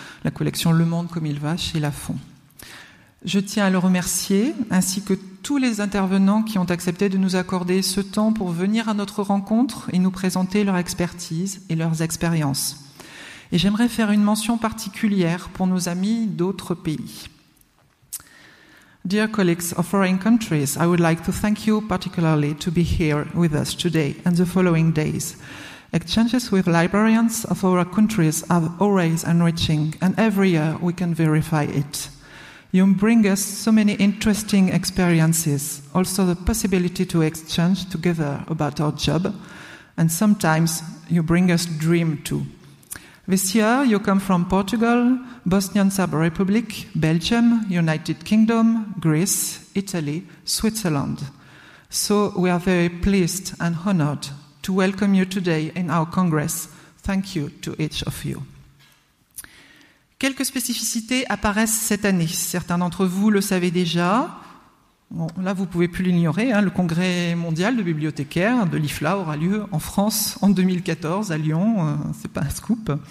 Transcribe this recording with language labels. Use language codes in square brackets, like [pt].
[fr] La collection Le Monde comme il va chez Lafond. Je tiens à le remercier, ainsi que tous les intervenants qui ont accepté de nous accorder ce temps pour venir à notre rencontre et nous présenter leur expertise et leurs expériences. Et j'aimerais faire une mention particulière pour nos amis d'autres pays. [en] Dear colleagues of foreign countries, I would like to thank you particularly to be here with us today and the following days. Exchanges with librarians of our countries are always enriching, and every year we can verify it. You bring us so many interesting experiences, also the possibility to exchange together about our job, and sometimes you bring us dream too. This year you come from Portugal, Bosnian Serb Republic, Belgium, United Kingdom, Greece, Italy, Switzerland. So we are very pleased and honored to welcome you today in our Congress. Thank you to each of you. [fr] Quelques spécificités apparaissent cette année. Certains d'entre vous le savez déjà. Bon, là, vous ne pouvez plus l'ignorer. Hein. Le Congrès mondial de bibliothécaires de l'IFLA aura lieu en France en 2014 à Lyon. C'est pas un scoop.